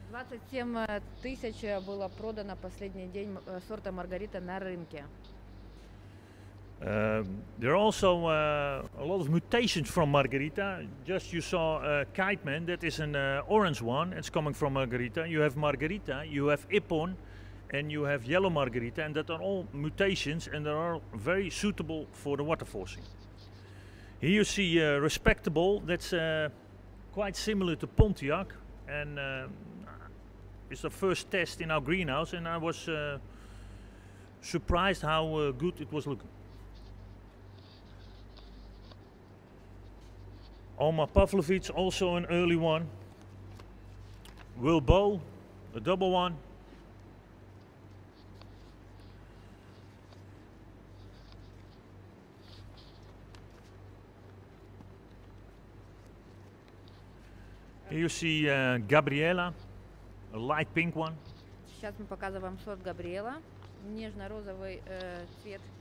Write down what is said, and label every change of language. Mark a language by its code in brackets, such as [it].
[ru] 27,000 было продано последний день сорта Маргарита на рынке. [en] There are also a lot of mutations from Margarita. Just you saw Kite Man, that is an orange one. It's coming from Margarita. You have Margarita, you have Ippon, and you have yellow Margarita, and that are all mutations, and they are very suitable for the water forcing. Here you see Respectable, that's quite similar to Pontiac, and it's the first test in our greenhouse, and I was surprised how good it was looking. Omar Pavlovich, also an early one. Will Bow, a double one. Here you see Gabriela, a light pink one. [ru] Сейчас мы показываем сорт Gabriela, нежно-розовый цвет.